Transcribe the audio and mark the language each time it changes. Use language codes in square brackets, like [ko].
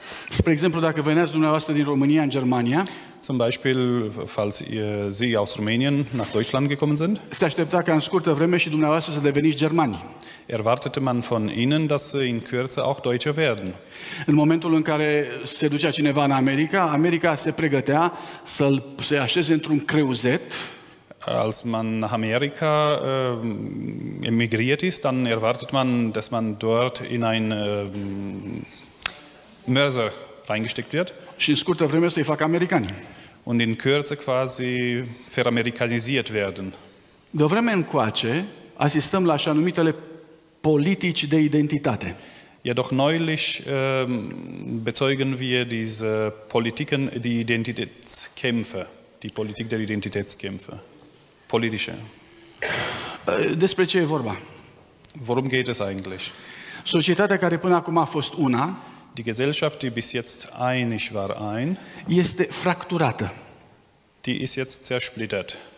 [ro] Spre exemplu, dacă veneați dumneavoastră din România în Germania, [de] zum Beispiel, falls Sie aus Rumänien nach Deutschland gekommen sind, [ro] se aștepta ca în scurtă vreme și dumneavoastră să deveniți germani. [de] Erwartete man von Ihnen, dass Sie in Kürze auch Deutsche werden. [ro] În momentul în care se ducea cineva în America, America se pregătea să-l se așeze într-un creuzet. [de] Als man nach Amerika emigriert ist, dann erwartet man, dass man dort in ein Mörser reingesteckt wird. [ro] Și în scurtă vreme să-i facă americani. [de] Und in Kürze quasi veramericanisiert werden. [ro] De vreme încoace, asistăm la așa numitele politici de identitate. [de] Jedoch neulich bezeugen wir diese Politiken, die Identitätskämpfe, die Politik der Identitätskämpfe, politische. [ro] Despre ce e vorba? [de] Worum geht es eigentlich? [ro] Societatea care până acum a fost una, [de] die Gesellschaft, die bis jetzt einig war, ein, [ro] este fracturată. [de] Die ist jetzt zersplittert.